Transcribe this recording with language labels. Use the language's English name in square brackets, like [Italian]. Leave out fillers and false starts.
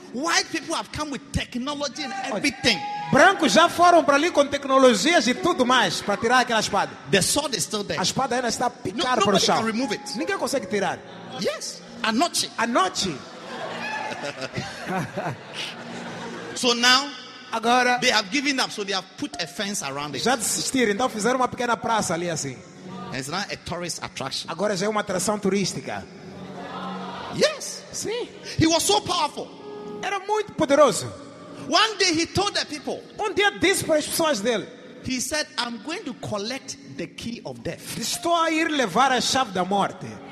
[English] White people have come with technology and everything. [Portuguese] Brancos já foram para ali com tecnologias e tudo mais para tirar aquela espada. [English] The sword is still there. [Portuguese] A espada ainda está picada para o chão. [English] Nobody can remove it. [Portuguese] Ninguém consegue tirar. [English] Yes. Anochi. Anochi. So now. [Portuguese] Agora, [English] they have given up, so they have put a fence around it. [Portuguese] Já desistiram, então fizeram uma pequena praça ali assim. [English] It's not a tourist attraction. [Portuguese] Agora já é uma atração turística. [English] Yes. [Portuguese] Sim. [English] He was so powerful. [Portuguese] Era muito poderoso. [English] One day he told the people. [Portuguese] Um dia disse para as pessoas dele. [English] He said, "I'm going to collect the key of death." [Portuguese] Estou a ir levar a chave da morte.